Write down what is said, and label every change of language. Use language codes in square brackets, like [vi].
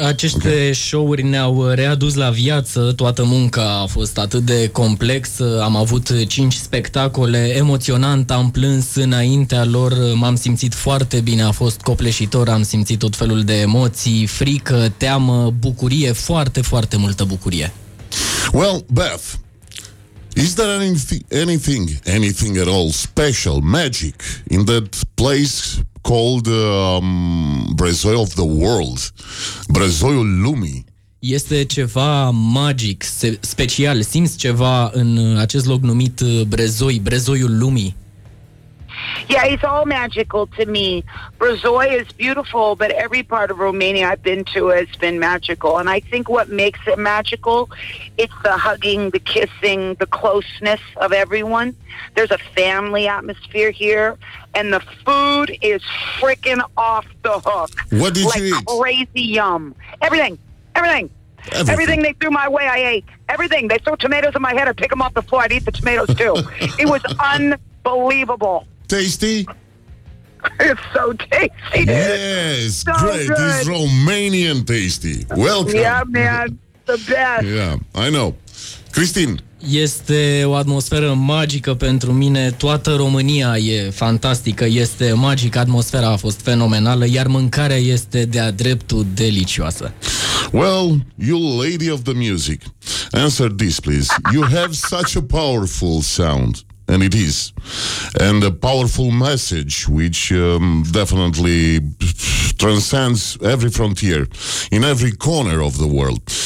[ro] Aceste show-uri ne-au readus la viață, toată munca a fost atât de complexă, am avut 5 spectacole emoționante, am plâns înaintea lor, m-am simțit foarte bine, a fost copleșitor, am simțit tot felul de emoții, frică, teamă, bucurie, foarte, foarte multă bucurie. [en] Well, Beth, is there anything at all special, magic in that place called Brezoi of the World, Brezoiul Lumii? [ro] Este ceva magic, special, simți ceva în acest loc numit Brezoi, Brezoiul Lumii? [en] Yeah, it's all magical to me. Brezoi is beautiful, but every part of Romania I've been to has been magical. And I think what makes it magical, it's the hugging, the kissing, the closeness of everyone. There's a family atmosphere here. And the food is freaking off the hook. What did like you eat? Like crazy yum. Everything. Everything they threw my way, I ate. Everything. They throw tomatoes in my head, I'd pick them off the floor, I'd eat the tomatoes too. It was unbelievable. Tasty? It's so tasty. Yes, so great. Good. It's Romanian tasty. Welcome. Yeah, man. The best. Yeah, I know. Christine. [ro] Este o atmosferă magică pentru mine. Toată România e fantastică, este magică, atmosfera a fost fenomenală, iar mâncarea este de-a dreptul delicioasă. [en] Well, you lady of the music, answer this please. You have such a powerful sound, and it is, and a powerful message which definitely transcends every frontier, in every corner of the world.